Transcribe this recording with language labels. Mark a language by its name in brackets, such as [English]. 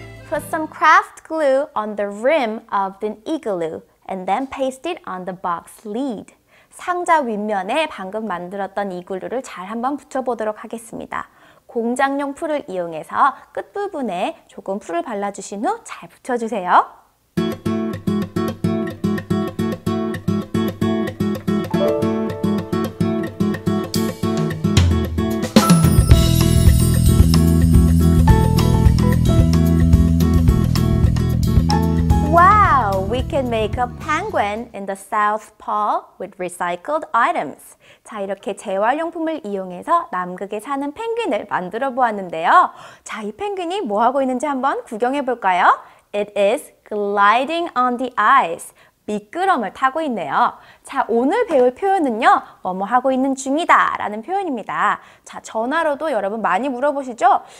[English] Put some craft glue on the rim of the igloo and then paste it on the box lid. [Korean] 상자 윗면에 방금 만들었던 이글루를 잘 한번 붙여보도록 하겠습니다. 공장용 풀을 이용해서 끝부분에 조금 풀을 발라주신 후 잘 붙여주세요. [English] You can make a penguin in the South Pole with recycled items. [Korean] 자, 이렇게 재활용품을 이용해서 남극에 사는 펭귄을 만들어 보았는데요. 자, 이 펭귄이 뭐 하고 있는지 한번 구경해 볼까요? [English] It is gliding on the ice. [Korean] 미끄럼을 타고 있네요. 자, 오늘 배울 표현은요. 뭐뭐 하고 있는 중이다 라는 표현입니다. 자, 전화로도 여러분 많이 물어보시죠?